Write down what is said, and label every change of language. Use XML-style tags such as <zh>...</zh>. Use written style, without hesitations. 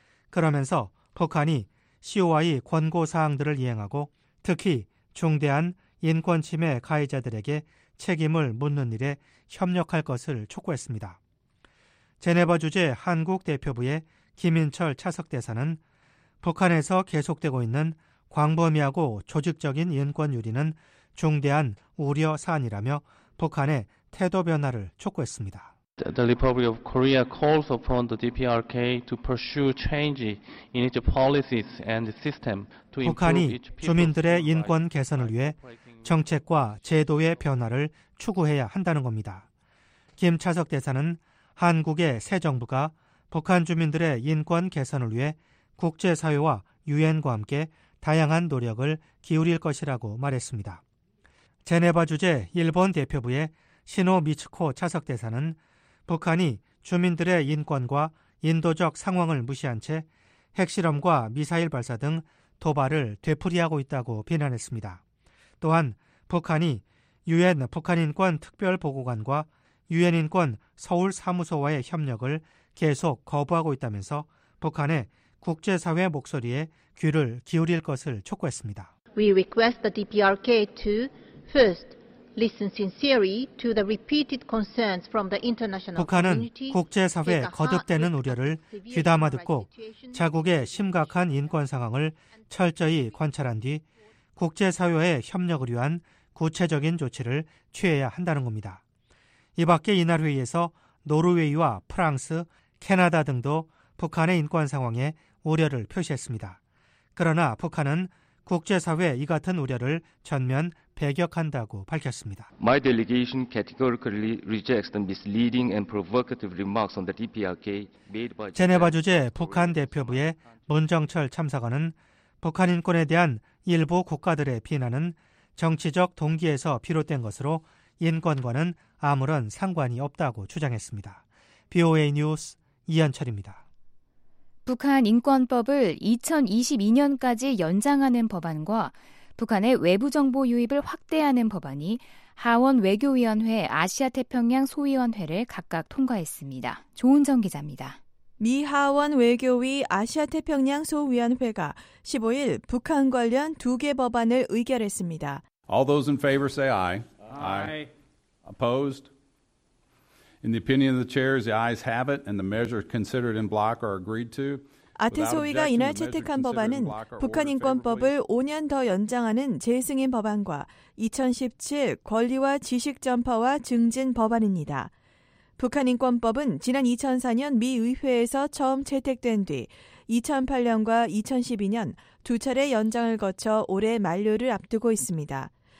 <ko>그러면서 북한이 COI 권고사항들을 이행하고 특히 중대한 인권침해 가해자들에게 책임을 묻는 일에 협력할 것을 촉구했습니다. 제네바 주재 한국대표부의 김인철 차석대사는 북한에서 계속되고 있는 광범위하고 조직적인 인권유린은 중대한 우려 사안이라며 북한의 태도 변화를 촉구했습니다.</ko> <en>The Republic of Korea calls upon the DPRK to pursue change in its policies and system to improve people's</en> <ko>북한이 주민들의 인권 개선을 위해 정책과 제도의 변화를 추구해야 한다는 겁니다. 김 차석 대사는 한국의 새 정부가 북한 주민들의 인권 개선을 위해 국제사회와 유엔과 함께 다양한 노력을 기울일 것이라고 말했습니다. 제네바 주재 일본 대표부의 시노 미츠코 차석 대사는 북한이 주민들의 인권과 인도적 상황을 무시한 채 핵실험과 미사일 발사 등 도발을 되풀이하고 있다고 비난했습니다. 또한 북한이 유엔 북한인권특별보고관과 유엔인권 서울사무소와의 협력을 계속 거부하고 있다면서 북한의 국제사회 목소리에 귀를 기울일 것을 촉구했습니다.</ko> <en>We request the DPRK to first listen sincerely to the repeated concerns from the international community.</en> <ko>북한은 국제사회의 거듭되는 우려를 귀담아 듣고 자국의 심각한 인권 상황을 철저히 관찰한 뒤 국제사회의 협력을 위한 구체적인 조치를 취해야 한다는 겁니다. 이 밖에 이날 회의에서 노르웨이와 프랑스, 캐나다 등도 북한의 인권 상황에 우려를 표시했습니다. 그러나 북한은 국제사회 이 같은 우려를 전면 배격한다고 밝혔습니다.</ko> <en>My delegation categorically rejects the misleading and provocative remarks on the DPRK made by</en> <ko>제네바 주재 북한 대표부의 문정철 참사관은 북한 인권에 대한 일부 국가들의 비난은 정치적 동기에서 비롯된 것으로 인권과는 아무런 상관이 없다고 주장했습니다. BOA 뉴스 이현철입니다. 북한 인권법을 2022년까지 연장하는 법안과 북한의 외부 정보 유입을 확대하는 법안이 하원 외교위원회 아시아태평양 소위원회를 각각 통과했습니다. 조은정 기자입니다. 미 하원 외교위 아시아태평양 소위원회가 15일 북한 관련 두 개 법안을 의결했습니다.</ko> <en>All those in favor say aye. Aye. Opposed? In the opinion of the chairs, the ayes have it, and the measure considered in block are agreed to.</en> <ko>아태소위가 이날 채택한 법안은 북한 인권법을 5년 더 연장하는 재승인 법안과 2017 권리와 지식 전파와 증진 법안입니다. 북한 인권법은 지난 2004년 미 의회에서 처음 채택된 뒤 2008년과 2012년 두 차례 연장을 거쳐 올해 만료를 앞두고 있습니다.</ko>